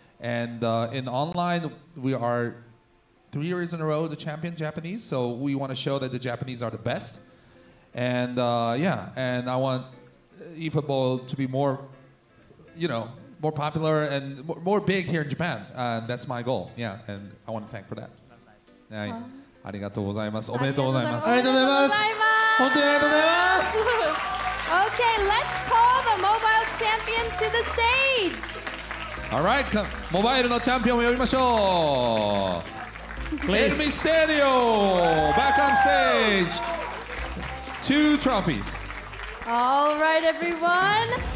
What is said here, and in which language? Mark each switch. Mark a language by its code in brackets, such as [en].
[en] And in online, we are 3 years in a row the champion Japanese. So we want to show that the Japanese are the best. And yeah, and I want eFootball to be more, you know, more popular and more big here in Japan. That's my goal. Yeah, and I want to thank for that. That's nice. [ja] ありがとうございます。おめでとうございます。ありがとうございます。本当にありがとうございます。 [en] Okay, let's call the mobile champion to the stage. All right, mobile no champion [ja] を呼びましょう. [en] Please. El Misterio, back on stage. Two trophies. All right, everyone.